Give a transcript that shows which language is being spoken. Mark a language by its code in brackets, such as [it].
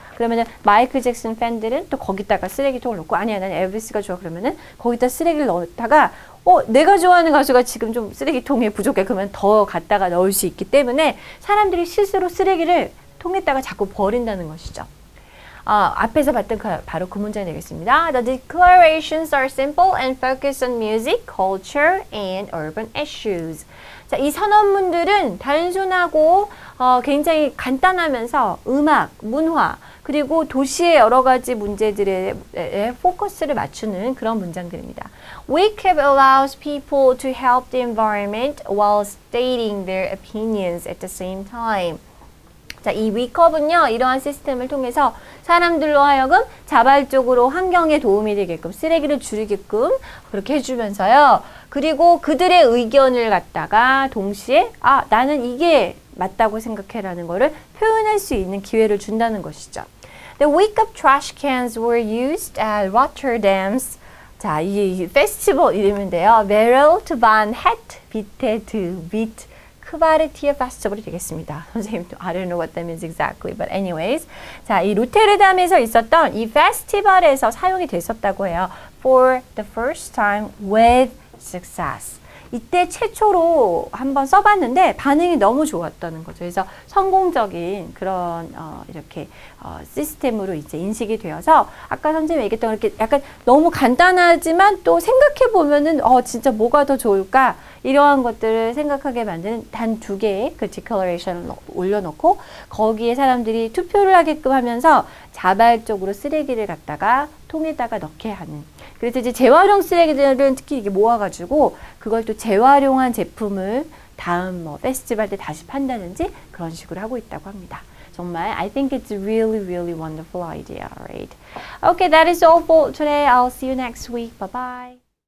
[ko] 그러면은 마이클 잭슨 팬들은 또 거기다가 쓰레기통을 넣고 아니야 난 엘비스가 좋아 그러면은 거기다 쓰레기를 넣었다가 내가 좋아하는 가수가 지금 좀 쓰레기통에 부족해 그러면 더 갖다가 넣을 수 있기 때문에 사람들이 스스로 쓰레기를 통에다가 자꾸 버린다는 것이죠. 앞에서 봤던 바로 그 문장이 되겠습니다. [en] The declarations are simple and focused on music, culture, and urban issues. [ko] 자, 이 선언문들은 단순하고 굉장히 간단하면서 음악, 문화, 그리고 도시의 여러 가지 문제들에 포커스를 맞추는 그런 문장들입니다. [en] WCAP allows people to help the environment while stating their opinions at the same time. [ko] 자, 이 WCAP은요, 이러한 시스템을 통해서 사람들로 하여금 자발적으로 환경에 도움이 되게끔, 쓰레기를 줄이게끔 그렇게 해주면서요. 그리고 그들의 의견을 갖다가 동시에 아, 나는 이게 맞다고 생각해라는 거를 표현할 수 있는 기회를 준다는 것이죠. [en] The WCAP trash cans were used at Rotterdam's [ko] 자, 이 페스티벌 이름인데요. Wereld van het Bitterde Wit 쿠바르티아 페스티벌이 되겠습니다. [en] 선생님, I don't know what that means exactly, but anyways. [ko] 자, 이 로테르담에서 있었던 이 페스티벌에서 사용이 됐었다고 해요. [en] For the first time with success. [ko] 이때 최초로 한번 써봤는데 반응이 너무 좋았다는 거죠. 그래서 성공적인 그런 이렇게 시스템으로 이제 인식이 되어서 아까 선생님이 얘기했던 이렇게 약간 너무 간단하지만 또 생각해 보면은 진짜 뭐가 더 좋을까 이러한 것들을 생각하게 만드는 단 두 개의 그 declaration을 올려놓고 거기에 사람들이 투표를 하게끔 하면서 자발적으로 쓰레기를 갖다가 통에다가 넣게 하는. 그래서 이제 재활용 쓰레기들은 특히 이게 모아가지고 그걸 또 재활용한 제품을 다음 뭐 페스티벌 때 다시 판다든지 그런 식으로 하고 있다고 합니다. 정말 [en] I think it's a really really wonderful idea, right? Okay, that is all for today. I'll see you next week. Bye bye.